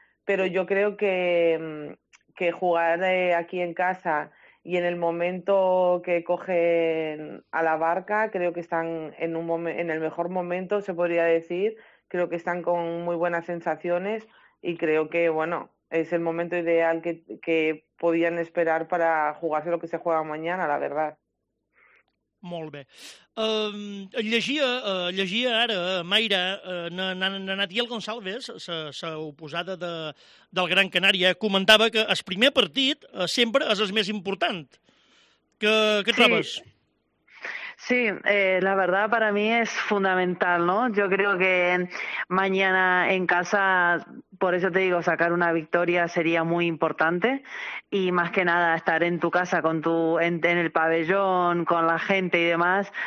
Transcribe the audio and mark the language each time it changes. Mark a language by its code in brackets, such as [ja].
[es] Pero yo creo que jugar aquí en casa y en el momento que cogen a la Barca, creo que están en el mejor momento, se podría decir. Creo que están con muy buenas sensaciones y creo que, bueno, es el momento ideal que podían esperar para jugarse lo que se juega mañana, la verdad. [ca] Molt bé. Llegia ara, Mayra, na Natiel González, la oposada del Gran Canària, comentava que el primer partit sempre és el més important. Què trobes? [es] Sí, la verdad para mí es fundamental, ¿no? Yo creo que mañana en casa, por eso te digo, sacar una victoria sería muy importante y más que nada estar en tu casa con en el pabellón, con la gente y demás.